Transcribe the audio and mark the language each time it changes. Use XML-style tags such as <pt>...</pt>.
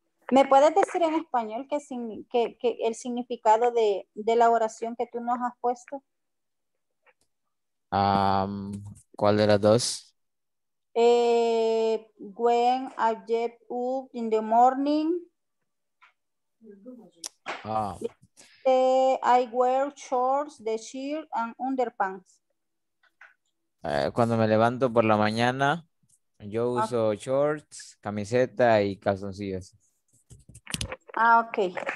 <es>¿Me puedes decir en español que el significado de la oración que tú nos has puesto? ¿Cuál de las dos?</es> <en>When I get up in the morning, I wear shorts, the shirt and underpants.</en> <es>Cuando me levanto por la mañana, yo uso shorts, camiseta y calzoncillos. Ah, okay.</es>